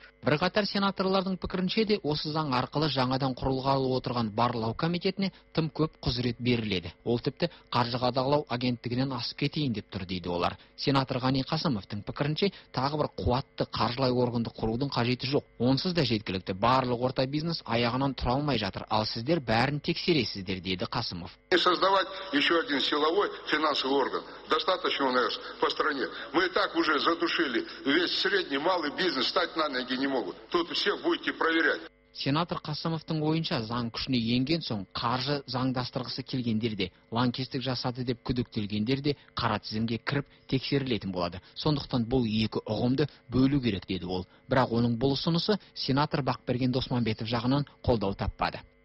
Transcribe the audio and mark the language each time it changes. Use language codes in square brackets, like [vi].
[kk] Бірқатар сенаторлардың пікірінше де осы заң арқылы жаңадан құрылғалы отырған барлау комитетіне тым көп құзырет беріледі. Ол тіпті қаржы қадағалау агенттігінен асып кетейін деп тұр, дейді олар. Сенатор Ғани Қасымовтың пікірінше тағы бір қуатты қаржылай органды құрудың қажеті жоқ. Онсыз да жеткілікті барлық орта бизнес аяғынан тұра алмай жатыр. Ал сіздер бәрін тексересіздер, деді Қасымов. [ru] Не создавать еще один силовой финансовый орган. Достаточно у нас по стране. Мы и так уже задушили весь средний, малый бизнес, стать на ноги не могут. Тут все будете проверять. [kk] Сенатор Қасымовтың ойынша заң күшіне енген соң қаржы заңдастырғысы келгендер де, ланкестік жасады деп күдіктелгендер де қара тізімге кіріп тексерілетін болады. Сондықтан бұл екі ұғымды бөлу керек, деді ол. Бірақ оның бұл ұсынысы сенатор Бақберген Досманбетов жағынан қолдау таппады.